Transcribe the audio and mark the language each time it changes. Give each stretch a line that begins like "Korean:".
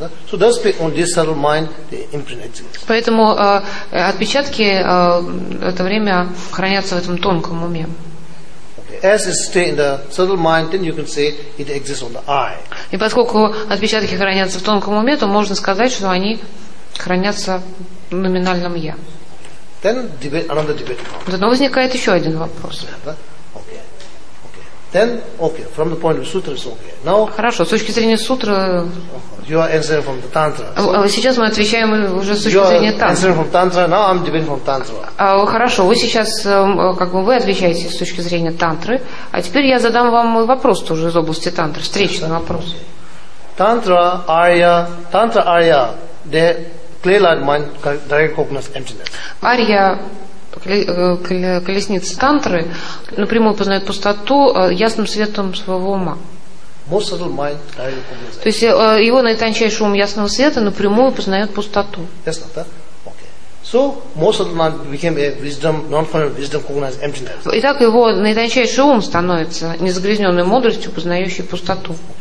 English: So that's why on this subtle mind the imprint exists.
Russian: Поэтому отпечатки в это время хранятся в этом тонком уме.
English: As it stays in the subtle mind, then you can say it exists on the eye.
Russian: И поскольку отпечатки хранятся в тонком уме, то можно сказать, что они хранятся в номинальном я.
English: Then debate, another debate.
Russian: Затем возникает еще один вопрос.
English: Then okay, from the point of sutra is okay. Now.
Russian: Хорошо, с точки зрения сутры.
English: You are answering from the tantra.
Russian: Сейчас мы отвечаем уже с точки зрения тантры.
English: You are answering from tantra. Now I'm debating from tantra.
Russian: Хорошо, вы сейчас как бы вы отвечаете с точки зрения тантры, а теперь я задам вам вопрос тоже из области тантры, встречный вопрос.
English: Tantra Arya, the clear-eyed mind, direct cognizance emptiness. Arya.
Russian: Колесницы тантры напрямую познают пустоту ясным светом своего ума. То есть его наитончайший ум ясного света напрямую познает пустоту. Итак, его наитончайший ум становится незагрязненной мудростью, познающей пустоту.